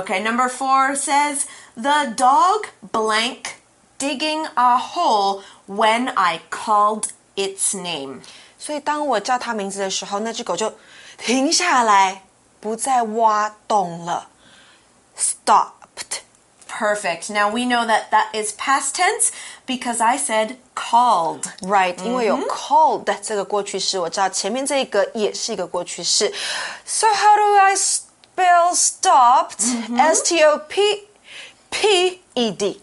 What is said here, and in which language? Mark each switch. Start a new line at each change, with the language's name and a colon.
English: Okay, number four says, the dog blank digging a hole when I called its name.
Chinese: 所以当我叫它名字的时候，那只狗就停下来，不再挖洞了。
English: Stopped. Perfect. Now we know that that is past tense because I said called.
Chinese: Right, 因为有 called 这个过去式，我知道前面这个也是一个过去式。
English: So how do I spell stopped? S-T-O-P-P-E-D.